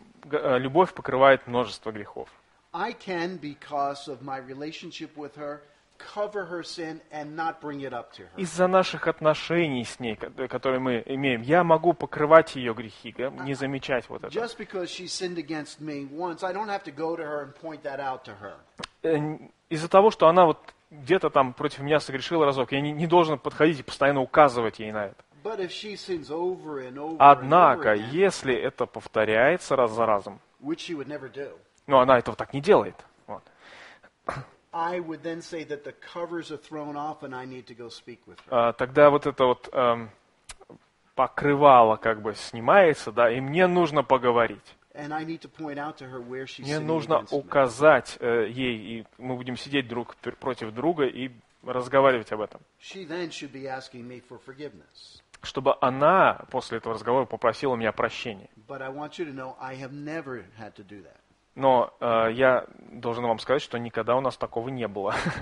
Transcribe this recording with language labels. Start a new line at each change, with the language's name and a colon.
Russian: Любовь покрывает множество грехов.
English: I can, because of my relationship with her, cover her sin and not bring it up to her.
Russian: Из-за наших отношений с ней, которые мы имеем, я могу покрывать ее грехи, не замечать вот это.
English: Just because she sinned against me once, I don't have to go to her and point that out to her.
Russian: Из-за того, что она вот где-то там против меня согрешила разок, я не должен подходить и постоянно указывать ей на это.
English: But if she sins over and over.
Russian: Однако, если это повторяется раз за разом.
English: Which she would never do.
Russian: Но она этого так не делает. Вот.
English: I would then say that the covers are thrown off and I need to go speak with her.
Russian: Тогда вот это вот покрывало как бы снимается, да, и мне нужно поговорить.
English: And I need to point out to her where she's.
Russian: Мне нужно указать ей, и мы будем сидеть друг против друга и разговаривать об этом.
English: She then should be asking me for forgiveness.
Russian: Чтобы она после этого разговора попросила меня прощения.
English: But I want you to know I have never had to do that.
Russian: Но я должен вам сказать, что никогда у нас такого не было.